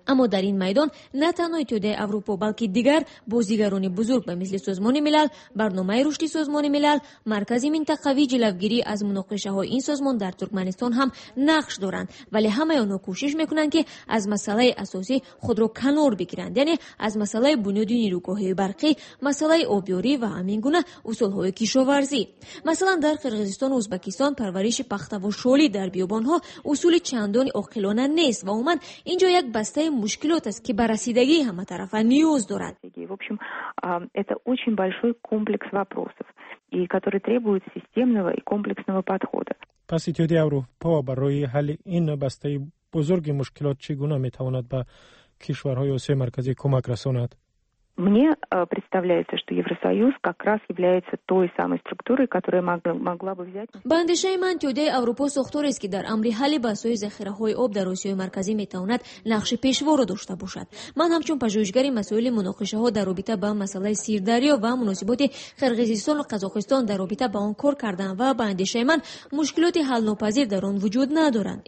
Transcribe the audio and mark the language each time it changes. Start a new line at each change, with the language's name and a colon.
Tajik: Аммо дар ин майдон на танҳо иттиҳодияи аврупо, балки дигар бозигарони бузург ба мисли созмони милал, барномаи рушди созмони милал, маркази минтақавӣ ҷилавгирӣ аз муноқишаҳои ин созмон дар туркманистон ҳам нақш доранд, вале ҳамаи онҳо кӯшиш мекунанд ки аз масъалаи асосӣ худро канор бигиранд, яъне аз масъалаи бунёди ниругоҳи барқӣ, масъалаи обёрӣ ва ҳамин гуна усулҳои кишоварзӣ. ҳастӣ. Масалан, дар Қирғизистон ва Узбекистон парвариши пахта ва шоли дар биёбонҳо усули чандони оқилона нест ва умуман инҷо як бастаи мушкилот аст ки ба расидаги ҳама тарафа ниёз дорад.
Russian: В общем, это очень большой комплекс вопросов, и который требует системного и комплексного подхода.
Tajik: Пас итиҳодияи Аврупо барои ҳалли ин бастаи бузурги мушкилот чӣ гуна метавонад ба кишварҳои Осиёи Марказӣ кӯмак расонад?
Russian: Мне представляется, что Евросоюз как раз является той самой структурой, которая могла бы взять.
Tajik: Бандишаи ман тёдаи Аврупо сохторест, ки дар амри ҳалли басои захираҳои об дар Осиёи Марказӣ метавонад нақши пешворо дошта бошад. Ман ҳамчун пажӯҳишгари масоили муноқишаҳо дар робита ба масалаи Сирдарё ва муносиботи Қирғизистон ва Қазоқистон дар робита ба он кор кардам ва ба андешаи ман мушкилоти ҳалнопазир дар он вуҷуд надоранд.